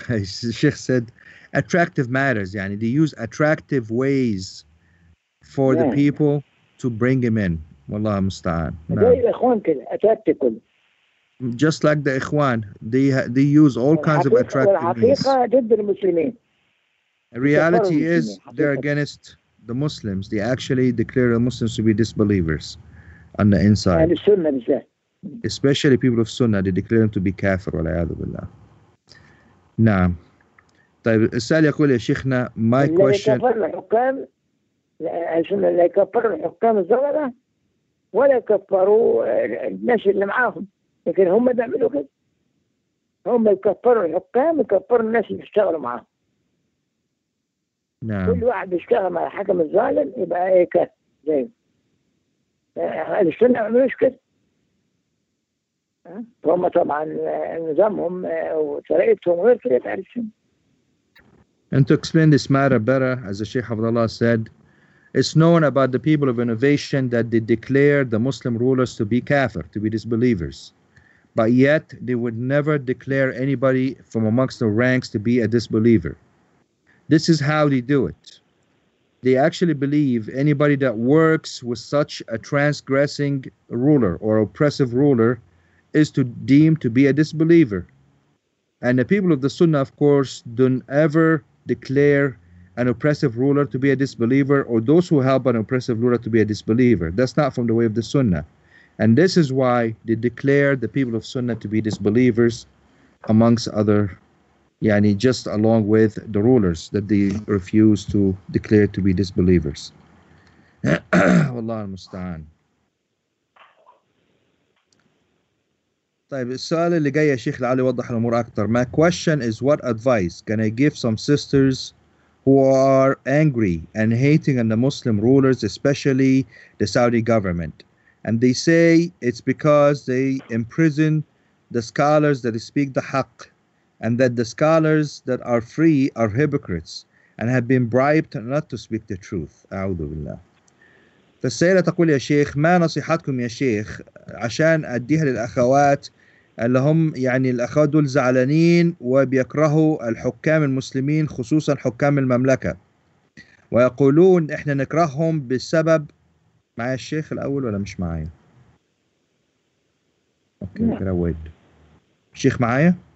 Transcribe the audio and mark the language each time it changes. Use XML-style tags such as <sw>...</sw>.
<en>الشيخ said attractive matters. يعني they use attractive ways for the people to bring him in.</en> <ar>والله المستعان. زي الإخوان كده attractive كله.</ar> <en>Just like the إخوان, they use all kinds of attractiveness.</en> <ar>الحقيقة ضد المسلمين.</ar> <en>Reality is they're against the Muslims. They actually declare the Muslims to be disbelievers on the inside.</en> <ar>يعني السنة بالذات.</ar> <en>Especially people of Sunnah, they declare them to be kafir.</en> <ar>والعياذ بالله. نعم. طيب السؤال يقول يا شيخنا</ar> <en>my question.</en> <ar>لا يكفر الحكام. عشان لا يكفر الحكام الزمرة ولا يكفروا الناس اللي معاهم. لكن هم بيعملوا كده. هم يكفروا الحكام ويكفروا الناس اللي يشتغلوا معاهم. نعم. كل واحد يشتغل مع الحكم الظالم يبقى ايه كده زي السنة عملوش كده. هم طبعا نظامهم وطريقتهم غير كده بقى السنة.</ar> <en>And to explain this matter better, as the Sheikh Abdullah said, it's known about the people of innovation that they declared the Muslim rulers to be kafir, to be disbelievers. But yet, they would never declare anybody from amongst the ranks to be a disbeliever. This is how they do it. They actually believe anybody that works with such a transgressing ruler or oppressive ruler is to deem to be a disbeliever. And the people of the Sunnah, of course, don't ever declare an oppressive ruler to be a disbeliever or those who help an oppressive ruler to be a disbeliever. That's not from the way of the Sunnah. And this is why they declare the people of Sunnah to be disbelievers amongst other, yani just along with the rulers that they refuse to declare to be disbelievers.</en> <ar>Wallahu al-musta'an. طيب السؤال اللي جاي يا شيخ لعلي وضح الأمور أكتر.</ar> <en>My question is what advice can I give some sisters who are angry and hating on the Muslim rulers, especially the Saudi government? And they say it's because they imprison the scholars that speak the haqq and that the scholars that are free are hypocrites and have been bribed not to speak the truth.</en> <ar>أعوذ بالله. فالسيدة تقول يا شيخ ما نصيحتكم يا شيخ عشان أديها للأخوات اللي هم يعني الأخوات دول زعلانين وبيكرهوا الحكام المسلمين خصوصا حكام المملكة ويقولون إحنا نكرههم بسبب معايا الشيخ الأول ولا مش معايا؟ أوكي كرويد الشيخ معايا؟</ar>